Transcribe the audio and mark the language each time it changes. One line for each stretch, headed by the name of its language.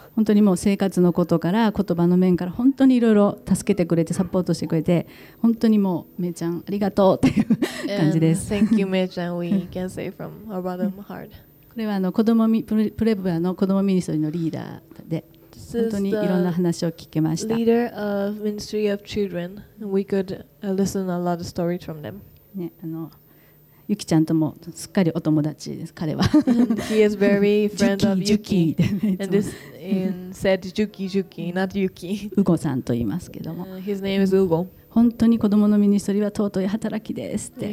Japanese: 本当にもう生活のことから言葉の面から本当にいろいろ助けてくれて、サポートしてくれて、本当にもうめいちゃんありがとうっていう感じです。
English: Thank you めいちゃん、 we can say from our bottom heart。
Japanese: これは子供プレブラの子どもミニストリーのリーダーで、本当にいろんな話を聞けました。
English: Leader of Ministry of Children. We could listen a lot of stories from them.
Japanese: ね、ユキちゃんともすっかりお友達です、彼は。
English: He is very friend of Yuki. And this in said Yuki, not Yuki.
Japanese: ウゴさんと言いますけども。
English: His name is Ugo.
Japanese: 本当に子どものミニストリーは尊い働きですって。